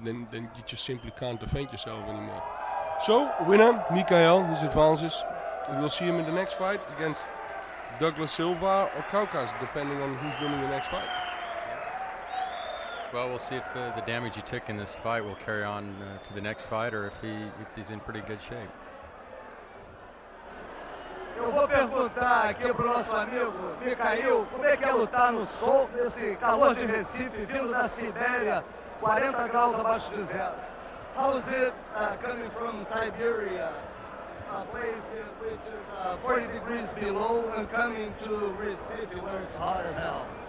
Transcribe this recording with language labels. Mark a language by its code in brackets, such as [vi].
[en] Then you just simply can't defend yourself anymore. So winner Mikhail, his advances. We'll see him in the next fight against Douglas Silva or Kavkaz, depending on who's winning the next fight. Well, we'll see if the damage he took in this fight will carry on to the next fight, or if he's in pretty good shape. [pt] Eu vou perguntar aqui pro nosso amigo Mikhail, como é que é lutar no sol nesse calor de Recife, vindo da Sibéria, 40 graus abaixo de zero. [en] How is it coming from Siberia? A place which is 40 degrees below and coming to Recife where it's hot as hell.